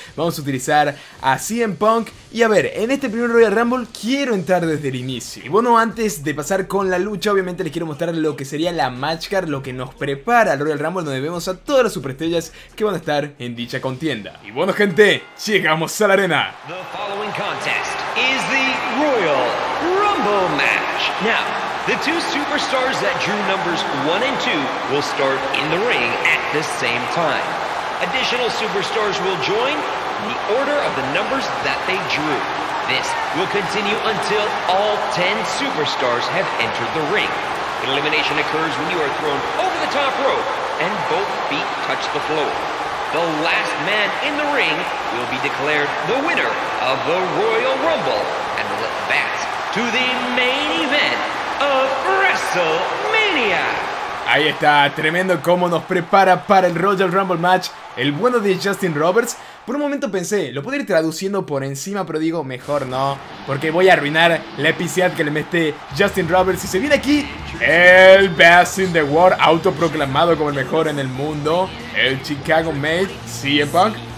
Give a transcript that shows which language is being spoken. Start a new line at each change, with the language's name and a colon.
Spanish: Vamos a utilizar a CM Punk. Y a ver, en este primer Royal Rumble quiero entrar desde el inicio. Y bueno, antes de pasar con la lucha, obviamente les quiero mostrar lo que sería la match card, lo que nos prepara el Royal Rumble, donde vemos a todas las superestrellas que van a estar en dicha contienda. Y bueno, gente, llegamos a la arena.
English: The following contest is the Royal Rumble match. Now, the two superstars that drew numbers 1 and 2 will start in the ring at the same time. Additional superstars will join in the order of the numbers that they drew. This will continue until all 10 superstars have entered the ring. Elimination occurs when you are thrown over the top rope and both feet touch the floor. The last man in the ring will be declared the winner of the Royal Rumble and will advance to the main event of WrestleMania.
Spanish: Ahí está, tremendo cómo nos prepara para el Royal Rumble Match el bueno de Justin Roberts. Por un momento pensé, lo puedo ir traduciendo por encima, pero digo, mejor no, porque voy a arruinar la epicidad que le mete Justin Roberts. Y se viene aquí el Best in the World, autoproclamado como el mejor en el mundo, el Chicago Mate, CM Punk.